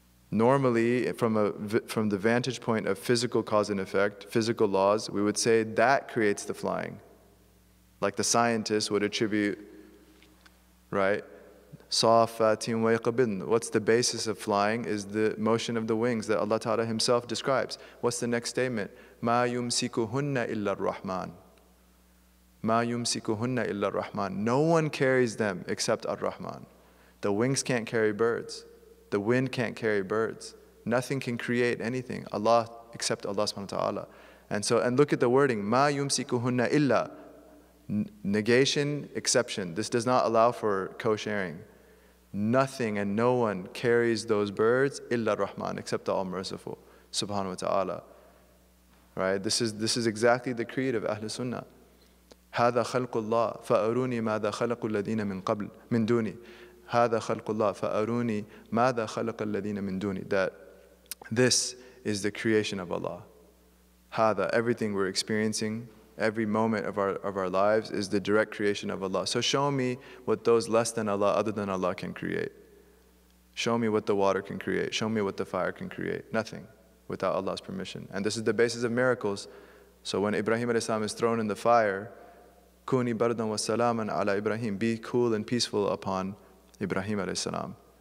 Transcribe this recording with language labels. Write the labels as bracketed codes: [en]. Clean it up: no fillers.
[en] Normally, from the vantage point of physical cause and effect, physical laws, we would say that creates the flying. Like the scientists would attribute, right? [ar] صَافَّاتٍ وَيَقْبِضْنَ, [en] what's the basis of flying is the motion of the wings that Allah Ta'ala himself describes. What's the next statement? [ar] مَا يُمْسِكُهُنَّ إِلَّا الرَّحْمَنِ, مَا يُمْسِكُهُنَّ إِلَّا الرَّحْمَنِ, [en] no one carries them except Ar-Rahman. The wings can't carry birds. The wind can't carry birds. Nothing can create anything, Allah, except Allah subhanahu wa ta'ala. And so, and look at the wording, [ar] مَا يُمْسِكُهُنَّ إِلَّا, [en] negation, exception. This does not allow for co-sharing. Nothing and no one carries those birds, [ar] إِلَّا الرَّحْمَنِ, [en] except the All-Merciful, subhanahu wa ta'ala. Right, this is exactly the creed of Ahl Sunnah. [ar] هَذَا خَلْقُ اللَّهِ فَأَرُونِي مَاذَا خَلَقُ الَّذِينَ مِنْ قَبْلِ مِنْ دُونِي, هَذَا خَلْقُ اللَّهِ فَأَرُونِي مَاذَا خَلَقَ الَّذِينَ مِنْ دُونِي, [en] that this is the creation of Allah. هَذَا, everything we're experiencing, every moment of our lives is the direct creation of Allah. So show me what those less than Allah, other than Allah can create. Show me what the water can create. Show me what the fire can create. Nothing without Allah's permission. And this is the basis of miracles. So when Ibrahim alayhi salam is thrown in the fire, [ar] كُونِي بَرْدًا وَسَلَامًا عَلَى إِبْرَاهِيمُ, [en] be cool and peaceful upon Ibrahim alayhi salam.